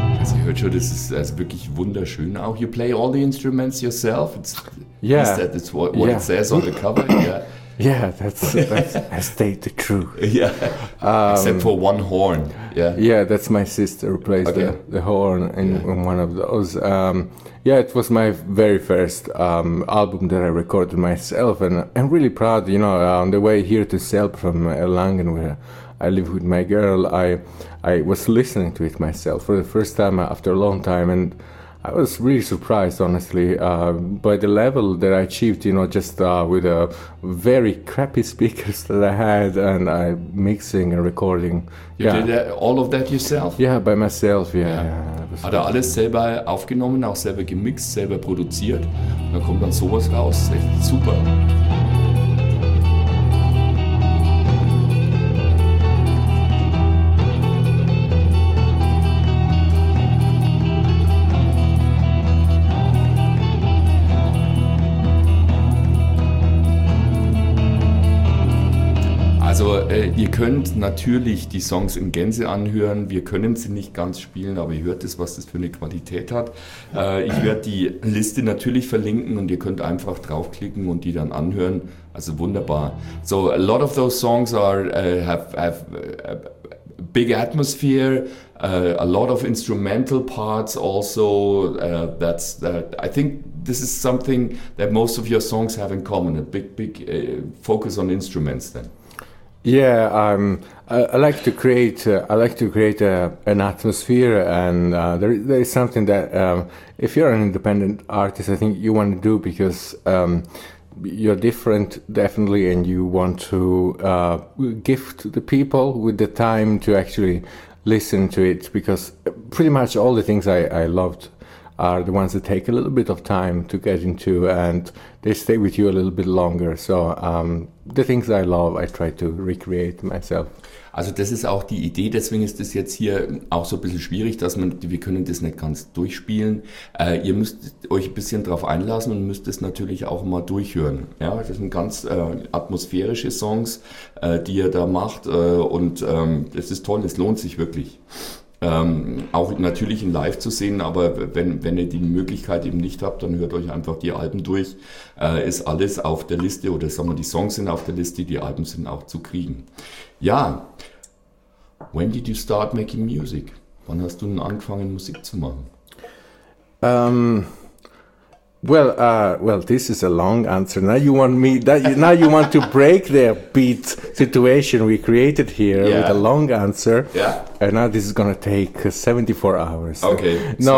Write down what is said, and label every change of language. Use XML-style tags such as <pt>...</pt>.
<de>Also wirklich wunderschön auch.</de> <en>You play all the instruments yourself? Yeah. Is that what it says on the cover? Yeah. Yeah, that's I state the truth. Yeah, except for one horn. Yeah, yeah, that's my sister who plays the horn in one of those. Yeah, it was my very first album that I recorded myself, and I'm really proud. You know, on the way here to Selb from Erlangen, where I live with my girl, I was listening to it myself for the first time after a long time, and I was really surprised, honestly, by the level that I achieved, you know, just with a very crappy speakers that I had, and I mixing and recording. You did that, all of that yourself? Yeah, by myself, yeah.</en> <de>Hat er alles selber aufgenommen, auch selber gemixt, selber produziert, und dann kommt dann sowas raus, echt super. Ihr könnt natürlich die Songs in Gänze anhören. Wir können sie nicht ganz spielen, aber ihr hört es, was das für eine Qualität hat. Ich werde die Liste natürlich verlinken und ihr könnt einfach draufklicken und die dann anhören. Also wunderbar.</de> <en>So, a lot of those songs are have a big atmosphere, a lot of instrumental parts also. I think this is something that most of your songs have in common. A big focus on instruments then. Yeah, I like to create an atmosphere, and there is something that if you're an independent artist, I think you want to do, because you're different definitely, and you want to gift the people with the time to actually listen to it, because pretty much all the things I loved are the ones that take a little bit of time to get into, and they stay with you a little bit longer. So the things I love, I try to recreate myself.</en> <de>Also das ist auch die Idee, deswegen ist das jetzt hier auch so ein bisschen schwierig, dass wir können das nicht ganz durchspielen. Ihr müsst euch ein bisschen drauf einlassen und müsst es natürlich auch mal durchhören. Ja, das sind ganz atmosphärische Songs, die ihr da macht, und es ist toll, es lohnt sich wirklich. Auch natürlich in live zu sehen, aber wenn ihr die Möglichkeit eben nicht habt, dann hört euch einfach die Alben durch. Ist alles auf der Liste, oder sagen wir, die Songs sind auf der Liste, die Alben sind auch zu kriegen.</de> <en>Ja, when did you start making music?</en> <de>Wann hast du denn angefangen, Musik zu machen?</de> <en>Well, this is a long answer. Now you want to break the beat situation we created here with a long answer. Yeah. And now this is gonna take 74 hours. Okay.</en>